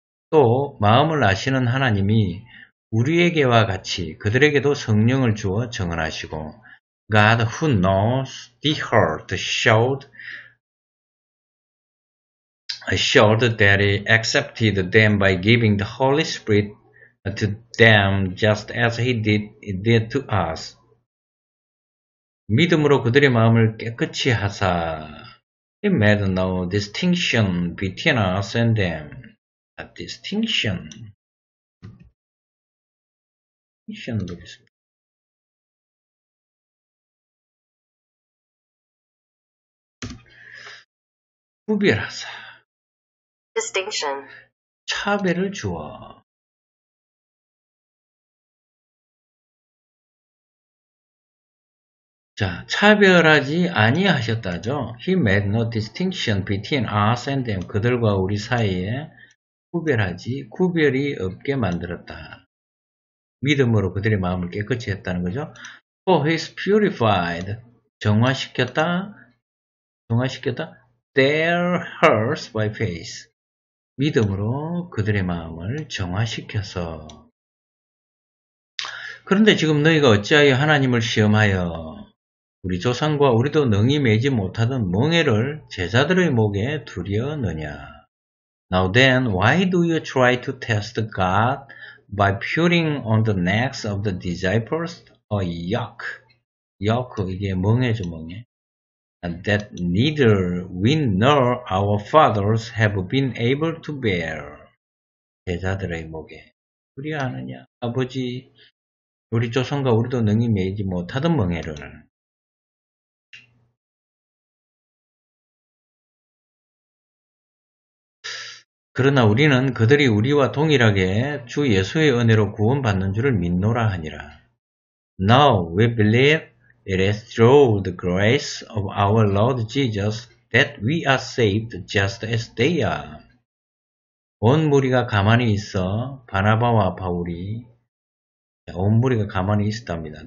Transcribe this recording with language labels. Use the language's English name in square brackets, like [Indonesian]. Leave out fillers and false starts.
[Korean] 또 마음을 아시는 하나님이 우리에게와 같이 그들에게도 성령을 주어 증언하시고 [English] God who knows the heart showed assured that he accepted them by giving the Holy Spirit to them just as he did to us. [Korean] 믿음으로 그들의 마음을 깨끗이 하사. [English] He made no distinction between us and them. A distinction. [Korean] 구별하사. [English] Distinction. [Korean] 차별을 주어. [English] He made no distinction between us and them. [Korean] 그들과 우리 사이에 구별하지, 구별이 없게 만들었다. 믿음으로 그들의 마음을 깨끗이 했다는 거죠. [English] For he's purified. [Korean] 정화시켰다. 정화시켰다. [English] Their hearts by faith. [Korean] 믿음으로 그들의 마음을 정화시켜서. 그런데 지금 너희가 어찌하여 하나님을 시험하여 우리 조상과 우리도 능히 메지 못하던 멍에를 제자들의 목에 두려느냐? [English] Now then, why do you try to test God by putting on the necks of the disciples a yoke? [Korean] Yoke, 이게 멍에죠, 멍에. [English] That neither we nor our fathers have been able to bear. [Korean] 제자들의 목에 두려워하느냐? 아버지, 우리 조상과 우리도 능히 메지 못하던 멍에를. [English] Now we believe it is through the grace of our Lord Jesus that we are saved just as they are. [Korean] 온 무리가 가만히 있어 바나바와 바울이 온 무리가 가만히 있었답니다.